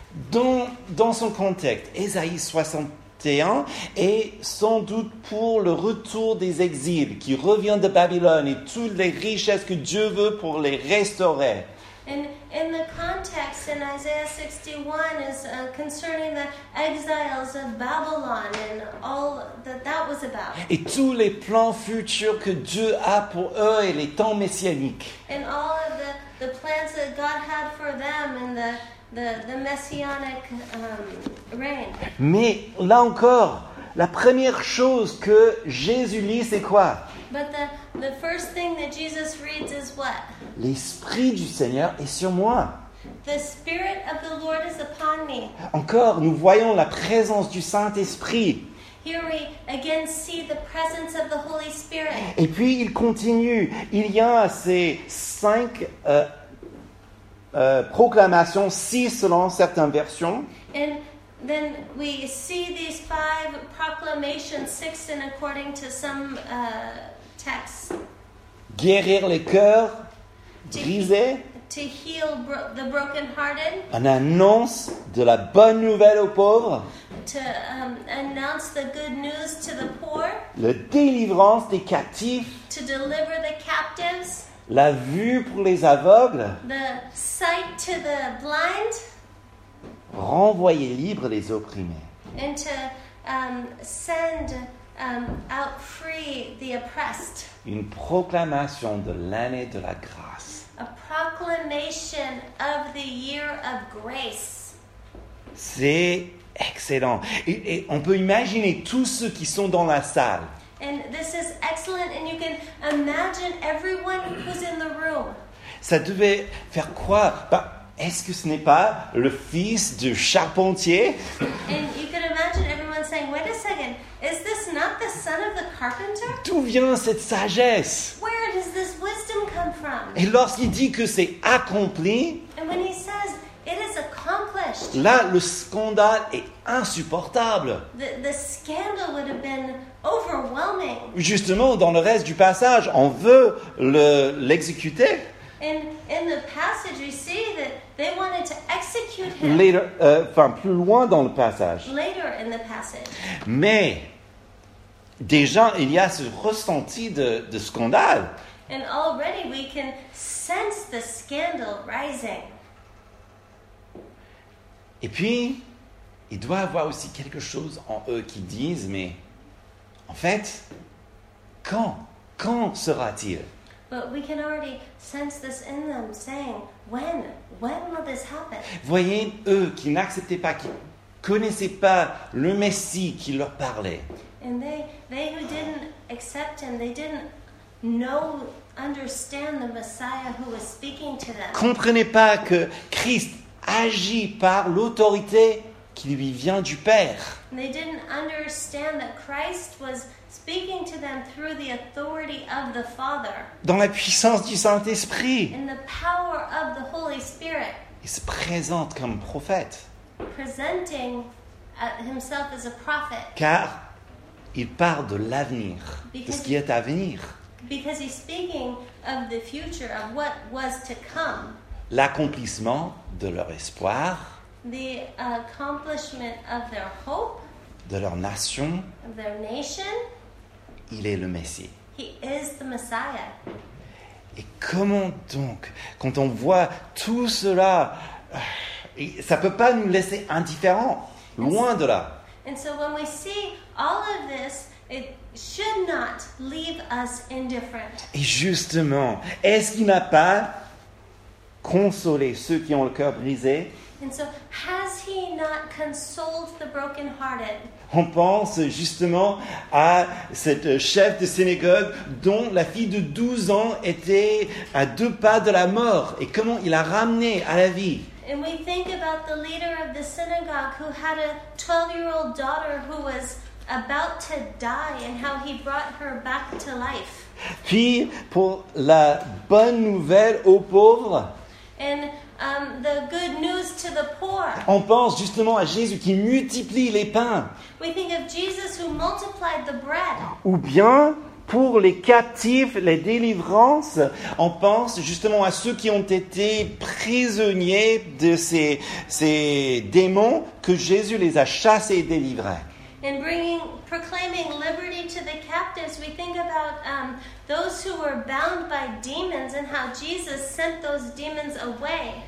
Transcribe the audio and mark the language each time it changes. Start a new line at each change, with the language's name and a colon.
French: Dans son contexte, Ésaïe 61 est sans doute pour le retour des exils qui reviennent de Babylone et toutes les richesses que Dieu veut pour les restaurer.
English: In the context in Isaiah 61 is concerning the exiles of Babylon and all that was about.
French: Et tous les plans futurs que Dieu a pour eux et les temps messianiques.
English: And all of the plans that God had for them and the messianic reign.
French: Mais là encore, la première chose que Jésus lit, c'est quoi?
English: But the first thing that Jesus reads is what?
French: L'Esprit du Seigneur est sur moi.
English: The Spirit of the Lord is upon me.
French: Encore, nous voyons la présence du Saint-Esprit.
English: Here we again see the presence of the Holy Spirit.
French: Et puis, il continue. Il y a ces cinq proclamations, six selon certaines versions.
English: And then we see these five proclamations, six in according to some texts.
French: Guérir les cœurs brisés.
English: To heal the brokenhearted.
French: An annonce de la bonne nouvelle aux pauvres.
English: To announce the good news to the poor.
French: La délivrance des captifs.
English: To deliver the captives.
French: La vue pour les aveugles.
English: The sight to the blind.
French: Renvoyer libres les opprimés.
English: And to send out free the oppressed.
French: Une proclamation de l'année de la grâce.
English: A proclamation of the year of grace.
French: C'est excellent. Et on peut imaginer tous ceux qui sont dans la salle.
English: And this is excellent, and you can imagine everyone who's in the room.
French: Ça devait faire quoi? Est-ce que ce n'est pas le fils du charpentier?
English: And you can imagine everyone saying, wait a second, is this not the son of the carpenter?
French: D'où vient cette sagesse?
English: Where does this wisdom come from?
French: Et lorsqu'il dit que c'est accompli,
English: and when he says, it is accomplished,
French: là, le scandale est insupportable.
English: The scandal would have been overwhelming.
French: Justement, dans le reste du passage, on veut l'exécuter.
English: In the passage, we see that they wanted to execute him. Later,
French: plus loin dans le passage.
English: Later in the passage.
French: Mais déjà, il y a ce ressenti de scandale.
English: And already we can sense the scandal rising.
French: Et puis, il doit avoir aussi quelque chose en eux qui disent, mais en fait, quand sera-t-il?
English: But we can already sense this in them, saying, when will this happen?
French: Voyez, eux qui n'acceptaient pas, qui connaissaient pas le Messie qui leur parlait.
English: And they who didn't accept him, they didn't know, understand the Messiah who was speaking to them.
French: Comprenaient pas que Christ agit par l'autorité qui lui vient du Père.
English: They didn't understand that Christ was speaking to them through the authority of the Father.
French: Dans la puissance du Saint-Esprit.
English: In the power of the Holy Spirit.
French: Il se présente comme prophète.
English: Presenting himself as a prophet.
French: Car il parle de l'avenir, de ce qui est à venir.
English: Because he's speaking of the future, of what was to come.
French: L'accomplissement de leur espoir.
English: The accomplishment of their hope.
French: De leur nation.
English: Of their nation.
French: Il est le Messie.
English: He is the Messiah.
French: Et comment donc, quand on voit tout cela, ça ne peut pas nous laisser indifférents, loin de là.
English: And so when we see all of this, it should not leave us indifferent.
French: Et justement, est-ce qu'il n'a pas consolé ceux qui ont le cœur brisé?
English: And so has he he not consoled the brokenhearted?
French: On pense justement à cette chef de synagogue dont la fille de 12 ans était à deux pas de la mort et comment il a ramené à la vie.
English: And we think about the leader of the synagogue who had a 12-year-old daughter who was about to die and how he brought her back to life.
French: Puis pour la bonne nouvelle aux pauvres.
English: And the good news to the poor.
French: On pense justement à Jésus qui multiplie les pains.
English: We think of Jesus who multiplied the bread.
French: Ou bien pour les captifs, les délivrances, on pense justement à ceux qui ont été prisonniers de ces démons que Jésus les a chassés et délivrés.
English: In bringing, proclaiming liberty to the captives, we think about those who were bound by demons and how Jesus sent those demons away.